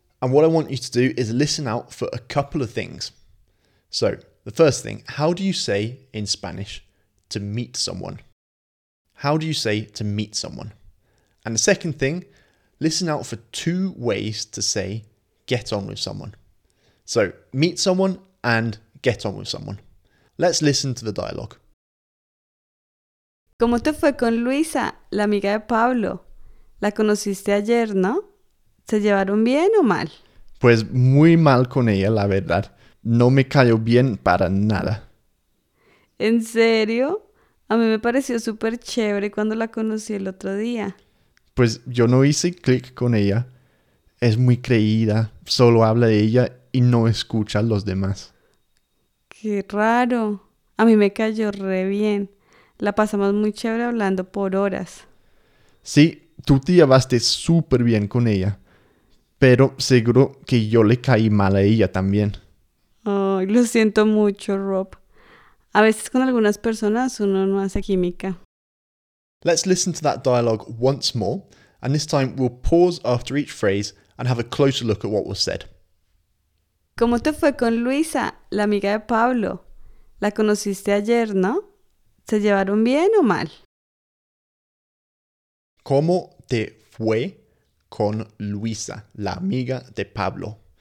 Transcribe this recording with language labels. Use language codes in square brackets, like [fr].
[en] And what I want you to do is listen out for a couple of things. So the first thing, how do you say in Spanish to meet someone? How do you say to meet someone? And the second thing, listen out for two ways to say get on with someone. So meet someone and get on with someone. Let's listen to the dialogue. [es] ¿Cómo te fue con Luisa, la amiga de Pablo? La conociste ayer, ¿no? ¿Se llevaron bien o mal? Pues muy mal con ella, la verdad. No me cayó bien para nada. ¿En serio? A mí me pareció súper chévere cuando la conocí el otro día. Pues yo no hice clic con ella. Es muy creída, solo habla de ella y no escucha a los demás. ¡Qué raro! A mí me cayó re bien. La pasamos muy chévere hablando por horas. Sí, tú te llevaste súper bien con ella. Pero seguro que yo le caí mal a ella también. Ay, lo siento mucho, Rob. A veces con algunas personas uno no hace química. [en] Let's listen to that dialogue once more. And this time we'll pause after each phrase and have a closer look at what was said. [es] ¿Cómo te fue con Luisa, la amiga de Pablo? La conociste ayer, ¿no? ¿Se llevaron bien o mal? ¿Cómo te fue con Luisa, la amiga de Pablo?